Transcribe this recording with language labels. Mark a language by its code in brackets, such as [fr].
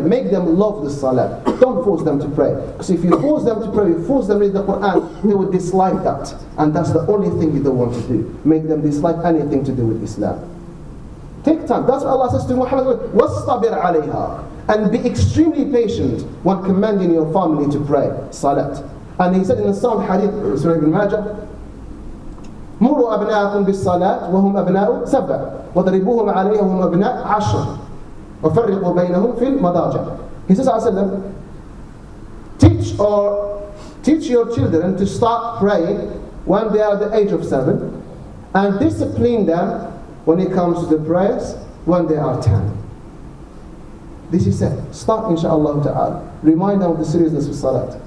[en] Make them love the salat. Don't force them to pray. Because if you force them to pray, you force them to read the Quran, they will dislike that. And that's the only thing you don't want to do. Make them dislike anything to do with Islam. Take time. That's what Allah says to Muhammad. Wastabir alayha. And be extremely patient when commanding your family to pray salat. And he said in the sound hadith, Surah Ibn Majah, [ar] مروا أبناءكم بالصلاة وهم أبناء سبع وضربوهم عليهم أبناء عشر وفرقوا بينهم في المضاجع. [en] He says, [ar] وسلم, [en] teach your children to start praying when they are the age of 7, and discipline them when it comes to the prayers when they are 10. This is it. Start, inshallah ta'ala. Remind them of the seriousness of salat.